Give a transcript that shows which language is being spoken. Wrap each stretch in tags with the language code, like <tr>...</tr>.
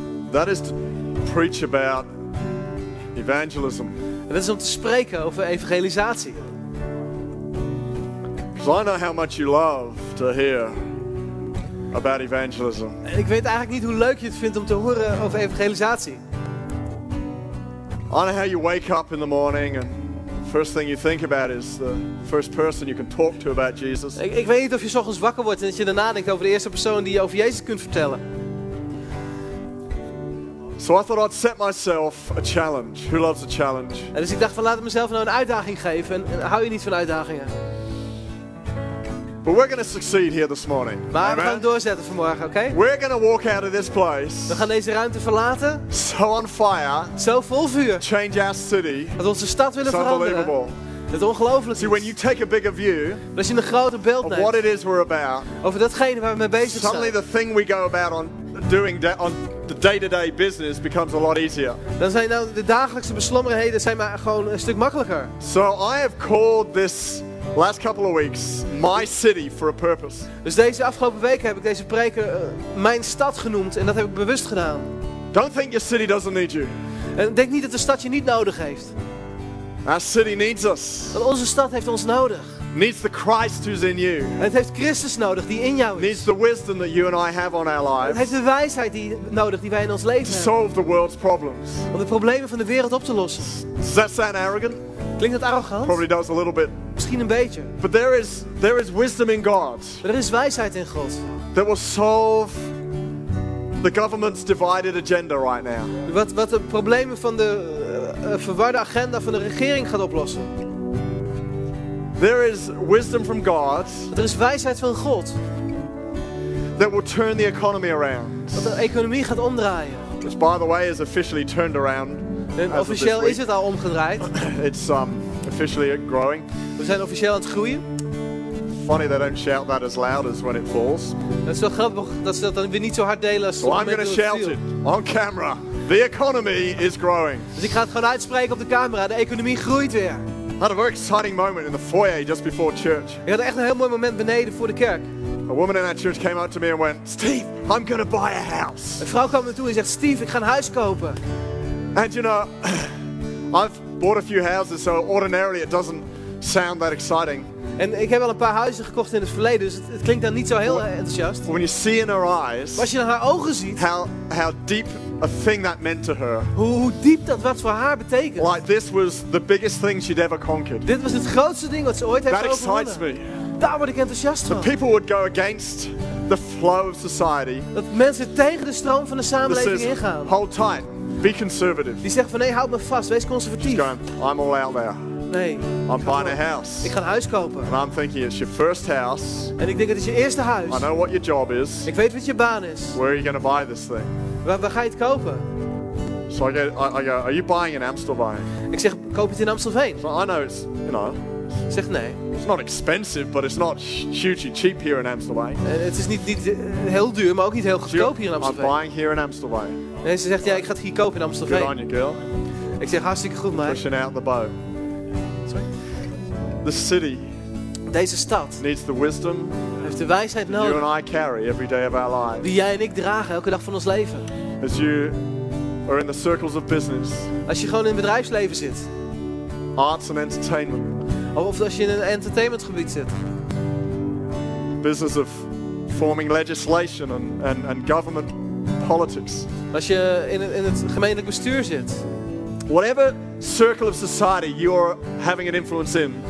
<en>That is to preach about evangelism.</en> <nl>En dat is om te spreken over evangelisatie.</nl> <en>Because I know how much you love to hear about evangelism.</en> <nl>En ik weet eigenlijk niet hoe leuk je het vindt om te horen over evangelisatie.</nl> <en>I know how you wake up in the morning and first thing you think about is the first person you can talk to about Jesus.</en> <nl>Ik weet niet of je 's ochtends wakker wordt en dat je daarna denkt over de eerste persoon die je over Jezus kunt vertellen.</nl> <en>So I thought I'd set myself a challenge. Who loves a challenge?</en> <nl>En dus ik dacht van laat ik mezelf nou een uitdaging geven. En hou je niet van uitdagingen?</nl> <en>But we're going to succeed here this morning.</en> <nl>Maar amen. We gaan doorzetten vanmorgen, oké?</nl> <en>Okay? We're going to walk out of this place.</en> <nl>We gaan deze ruimte verlaten.</nl> <en>So on fire.</en> <nl>Zo vol vuur.</nl> <en>Change our city.</en> <nl>Dat onze stad willen</nl> <en>it's</en> <nl>veranderen.</nl> <en>Unbelievable.</en> <nl>Het ongelooflijk.</nl> <en>See, when you take a bigger view,</en> <nl>als je een groter beeld neemt.</nl> <en>Of what it is we're about.</en> <nl>Over datgene waar we mee bezig zijn.</nl> <en>Suddenly the thing we go about on doing that on the day-to-day business becomes a lot easier.</en> <nl>Dan zijn nou de dagelijkse beslommerheden zijn maar gewoon een stuk makkelijker.</nl> <en>So I have called this last couple of weeks my city for a purpose.</en> <nl>Dus deze afgelopen weken heb ik deze preken mijn stad genoemd en dat heb ik bewust gedaan.</nl> <en>Don't think your city doesn't need you.</en> <nl>En denk niet dat de stad je niet nodig heeft.</nl> <en>Our city needs us.</en> <nl>Want onze stad heeft ons nodig.</nl> <en>Needs the Christ who's in you.</en> <nl>En het heeft Christus nodig die in jou is.</nl> <en>Needs the wisdom that you and I have on our lives.</en> <nl>En het heeft de wijsheid die nodig die wij in ons leven</nl> <en>to</en> <nl>hebben.</nl> <en>Solve the world's problems.</en> <nl>Om de problemen van de wereld op te lossen.</nl> <en>Does that sound arrogant?</en> <nl>Klinkt dat arrogant?</nl> <en>Probably does a little bit.</en> <nl>Misschien een beetje.</nl> <en>But there is wisdom in God.</en> <nl>Er is wijsheid in God.</nl> <en>That will solve the government's divided agenda right now.</en> <nl>Wat de problemen van de verwarde agenda van de regering gaat oplossen.</nl> <en>There is wisdom from God.</en> <nl>Er is wijsheid van God.</nl> <en>That will turn the economy around.</en> <nl>Dat de economie gaat omdraaien.</nl> <en>Which, by the way, is officially turned around.</en> <nl>En officieel is het al omgedraaid.</nl> <en>It's officially growing.</en> <nl>We zijn officieel aan het groeien.</nl> <en>Funny they don't shout that as loud as when it falls.</en> <nl>Het is wel grappig dat ze dat dan weer niet zo hard delen als</nl> <en>I'm going to shout it on camera. The economy is growing.</en> <nl>Dus ik ga het gewoon uitspreken op de camera. De economie groeit weer.</nl> <en>I had a very exciting moment in the foyer just before church.</en> <nl>Ik had echt een heel mooi moment beneden voor de kerk.</nl> <en>A woman in our church came up to me and went, "Steve, I'm going to buy a house."</en> <nl>Een vrouw kwam naar toe en zegt, "Steve, ik ga een huis kopen."</nl> <en>And you know, I've bought a few houses, so ordinarily it doesn't sound that exciting.</en> <nl>En ik heb al een paar huizen gekocht in het verleden, dus het klinkt dan niet zo heel enthousiast.</nl> <en>When you see in her eyes,</en> <nl>maar als je dan haar ogen ziet,</nl> <en>how deep a thing that meant to her.</en> <nl>Hoe diep dat wat voor haar betekent.</nl> <en>Like this was the biggest thing she'd ever conquered.</en> <nl>Dit was het grootste ding wat ze ooit heeft overwonnen.</nl> <en>That excites me.</en> <nl>Daar word ik enthousiast van.</nl> <en>The people would go against the flow of society.</en> <nl>Dat mensen tegen de stroom van de samenleving</nl> <en>says,</en> <nl>ingaan.</nl> <en>Hold tight. Be conservative.</en> <nl>Die zegt van nee, houd me vast, wees conservatief.</nl> <en>She's going, I'm all out there.</en> <nl>Nee.</nl> <en>I'm buying a house.</en> <nl>Ik ga een huis kopen.</nl> <en>And I'm thinking it's your first house.</en> <nl>En ik denk het is je eerste huis.</nl> <en>I know what your job is.</en> <nl>Ik weet wat je baan is.</nl> <en>Where are you going to buy this thing?</en> <nl>Waar ga je het kopen?</nl> <en>So I go, are you buying in Amstelveen?</en> <nl>Ik zeg, koop je het in Amstelveen?</nl> <en>So I know it's, you know.</en> <nl>Zeg nee.</nl> <en>It's not expensive, but it's not hugely cheap here in Amstelveen.</en> <nl>Het is niet heel duur, maar ook niet heel goedkoop hier in Amstelveen.</nl> <en>I'm buying here in Amstelveen.</en> <nl>Nee, ze zegt, ja, ik ga het hier kopen in Amstelveen.</nl> <en>Good on you, girl.</en> <nl>Ik zeg, hartstikke goed, meid.</nl> <en>Pushing out the boat.</en> <nl>Sorry.</nl> <en>The city.</en> <nl>Deze stad.</nl> <en>Needs the wisdom.</en> <nl>Heeft de wijsheid</nl> <en>that</en> <nl>nodig.</nl> <en>You and I carry every day of our lives.</en> <nl>Die jij en ik dragen elke dag van ons leven.</nl> <en>As you are in the circles of business.</en> <nl>Als je gewoon in het bedrijfsleven zit.</nl> <en>Arts and entertainment.</en> <nl>Of als je in een entertainmentgebied zit.</nl> <en>Business of forming legislation and government politics.</en> <nl>Als je in het gemeentelijk bestuur zit.</nl> <en>Whatever circle of society you're having an influence in.</en>